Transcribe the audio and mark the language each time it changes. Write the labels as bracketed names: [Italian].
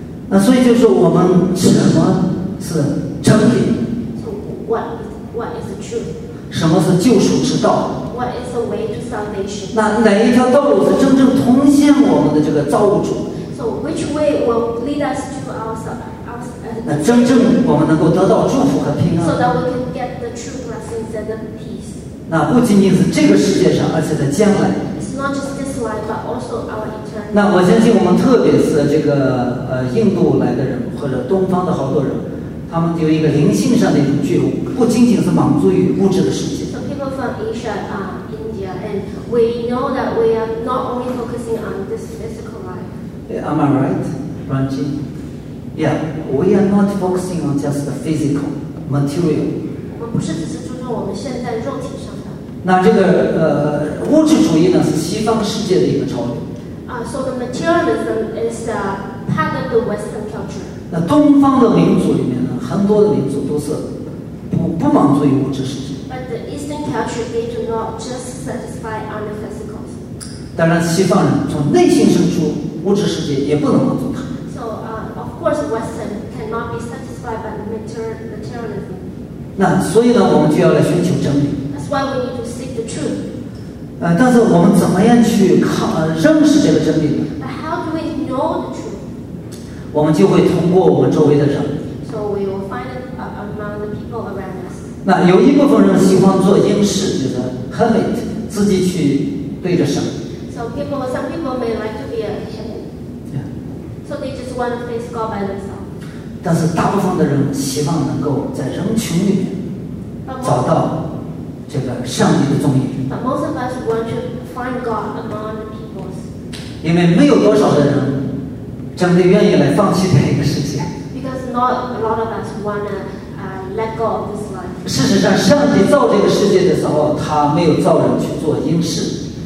[Chinese] 那所以就是我们什么是真理 [English] ？So what is the truth? [Chinese] 什么是救赎之道 [English] ？What is the way to salvation? [Chinese] 那哪一条道路是真正通向我们的这个造物主 [English] ？So which way will lead us to our [Chinese] 那真正我们能够得到祝福和平安 [English] ？So that we can get the true blessings and the peace. [Chinese] 那不仅仅是这个世界上，而且在将来。 [English] It's not just this life, but also our eternity. [Chinese] 那我相信我们特别是这个印度来的人或者东方的好多人，他们有一个灵性上的一种觉悟，不仅仅是满足于物质的世界。 [English] So people from Asia, India, and we know that we are not only focusing on this physical life. Am I right, Ranji? Yeah, we are not focusing on just the physical, material. [Chinese] 我们不是只是注重我们现在肉体上。那这个物质主义呢，是西方世界的一个潮流。 [English] So the materialism is a part of the Western culture. [Chinese] 那东方的民族里面呢，很多的民族都是不满足于物质世界。 [English] But the Eastern culture, they do not just satisfy on the physical. [Chinese] 当然，西方人从内心深处，物质世界也不能满足他。 [English] So, of course, Western cannot be satisfied by materialism. [Chinese] 那所以呢，我们就要来寻求真理。 [English] Why we need to seek the truth? [Chinese] 但是我们怎么样去看认识这个真理呢 [English] ？But how do we know the truth? [Chinese] 我们就会通过我们周围的人。 [English] So we will find it among the people around us. [Chinese] 那有一部分人喜欢做应试，就是 hermit， 自己去对着神。 [English] So people, some people may like to be a hermit. Yeah. So they just want to face God by themselves. [Chinese] 但是大部分的人希望能够在人群里面找到。这个上帝的踪影。 [English] But most of us want to find God among the peoples. [Chinese] 因为没有多少的人真的愿意来放弃这个世界。 [English] Because not a lot of us want to let go of this life. [Chinese] 事实上，上帝造这个世界的时候，他没有造人去做应试。